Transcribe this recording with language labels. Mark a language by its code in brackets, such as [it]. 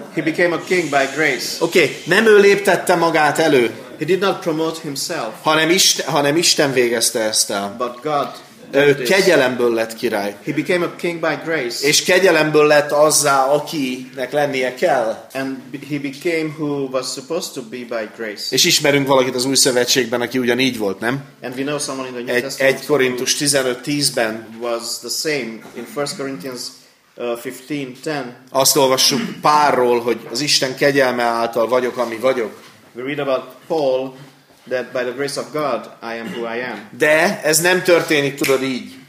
[en] He became a king by grace. [hu] Okay, nem ő léptette magát elő. [en] He did not promote himself. [hu] Hanem Isten végezte ezt el. [en] But God. [hu] Ő kegyelemből lett király. [en] He became a king by grace. [hu] És kegyelemből lett azzá, akinek lennie kell. [en] And he became who was supposed to be by grace. [hu] És ismerünk valakit az Új Szövetségben, aki ugyanígy volt, nem? [en] And we know someone in the New [hu] Testament. 1 Korintus 15:10-ben [en] was the same in 1 Corinthians 15:10. [hu] Azt olvassuk Pálról, hogy az Isten kegyelme által vagyok, ami vagyok. [en] We read about Paul that by the grace of God I am who I am. [hu] De ez nem történik, tudod, így.